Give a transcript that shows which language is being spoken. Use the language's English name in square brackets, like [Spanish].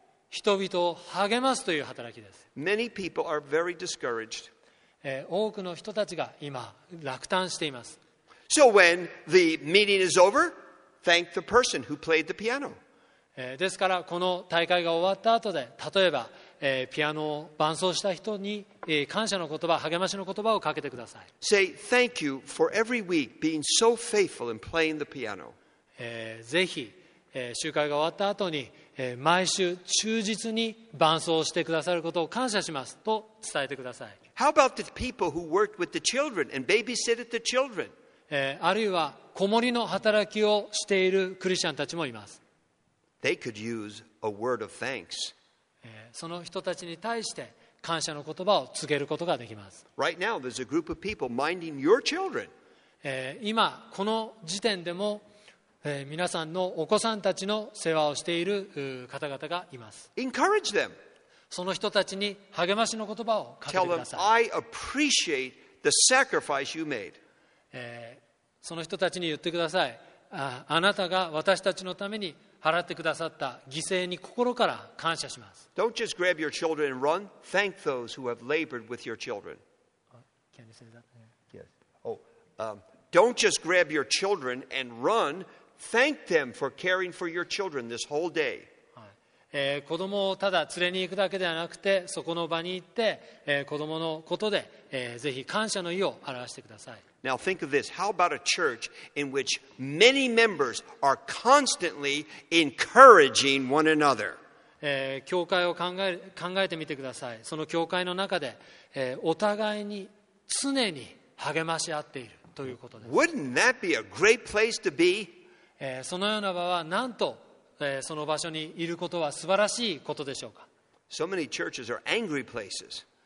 [Japanese] 人々を励ますという働きです。 [English] Many people are very discouraged. [Japanese] 多くの人たちが今落胆しています。 [English] So when the meeting is over, thank the person who played the piano. [Japanese] ですからこの大会が終わった後で、例えば、ピアノを伴奏した人に、感謝の言葉、励ましの言葉をかけてください。 [English] Say thank you for every week being so faithful in playing the piano. [Japanese] ぜひ、集会が終わった後に毎週忠実に伴走してくださることを感謝しますと伝えてください。 [English] How about the people who worked with the children and babysitted the children? [Japanese] あるいは子守の働きをしているクリスチャンたちもいます。 [English] They could use a word of thanks. [Japanese] その人たちに対して感謝の言葉を告げることができます。 [English] Right now, there's a group of people minding your children. [Japanese] 今この時点でも皆さんのお子さんたちの世話をしている方々がいます。 [English] Encourage them. [Japanese] その人たちに励ましの言葉をかけてください。 [English] Tell them, I appreciate the sacrifice you made. [Japanese] その人たちに言ってください。あなたが私たちのために払ってくださった犠牲に心から感謝します。 [English] Don't just grab your children and run. Thank those who have labored with your children. Can you say that? Yes. Don't just grab your children and run. Thank them for caring for your children this whole day. [Japanese] 子供をただ連れに行くだけではなくて、そこの場に行って、子供のことで、ぜひ感謝の意を表してください。 [English] Now think of this. How about a church in which many members are constantly encouraging one another? [Japanese] 教会を考えてみてください。その教会の中で、お互いに常に励まし合っているということです。 [English] Wouldn't that be a great place to be? [Japanese] そのような場はなんと、その場所にいることは素晴らしいことでしょうか。 [English] So many churches are angry places.